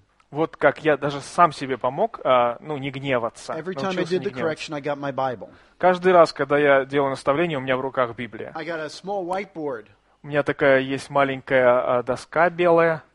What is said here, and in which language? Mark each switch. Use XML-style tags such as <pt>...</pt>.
<ru>Вот как я даже сам себе помог, ну, не гневаться.</ru> <en>Every time I did the correction, I got my Bible.</en> <ru>Каждый раз, когда я делаю наставление, у меня в руках Библия.</ru> <en>I got a small whiteboard.</en> <ru>У меня такая есть маленькая доска белая.</ru>